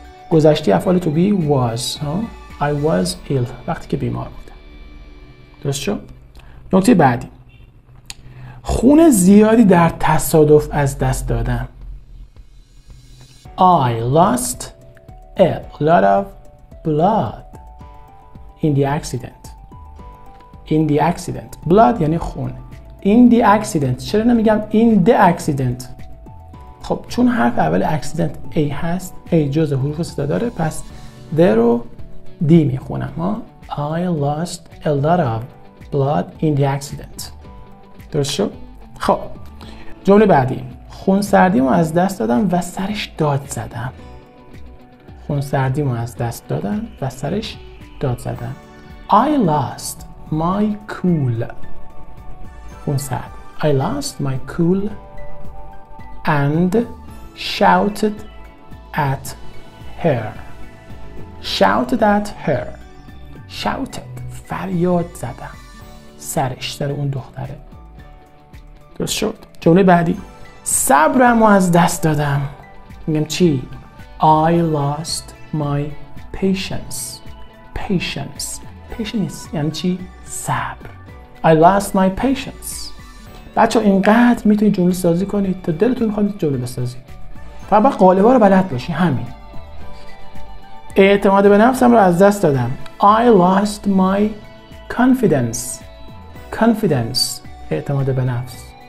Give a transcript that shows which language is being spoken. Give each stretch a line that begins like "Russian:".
Persian: گذشته افعال
English: to be was. I was ill
Persian: وقتی که بیمار بودم. درست شد؟ نکته بعدی، خون زیادی در تصادف از دست دادم.
English: I lost a lot of blood. in the accident. In the accident.
Persian: Blood یعنی خون.
English: In the accident.
Persian: چرا نمیگم
English: in the accident؟
Persian: خب چون حرف اول accident A هست. A جزء حروف ستا داره. پس there رو D میخونم.
English: I lost a lot of blood in the accident.
Persian: درست شد؟ خب جمله بعدی. خونسردیمو از دست دادم و سرش داد زدم. خونسردیمو از دست دادم و سرش داد زدم.
English: I lost my cool.
Persian: خونسرد.
English: I lost my cool and shouted at her. Shouted at her. Shouted.
Persian: فریاد زدم. سرش. سر اون دختره. درست شد. جمله بعدی. صبرمو از دست دادم. میگم چی؟
English: I lost my patience. Patience.
Persian: Patience یعنی چی؟ صبر.
English: I lost my patience.
Persian: بچه اینقدر میتونید جمله سازی کنید تا دلتون میخواید جمله بسازید. فقط قالبا رو بلد باشی. همین. اعتماد به نفسم رو از دست دادم.
English: I lost my confidence. Confidence.
Persian: اعتماد به نفس.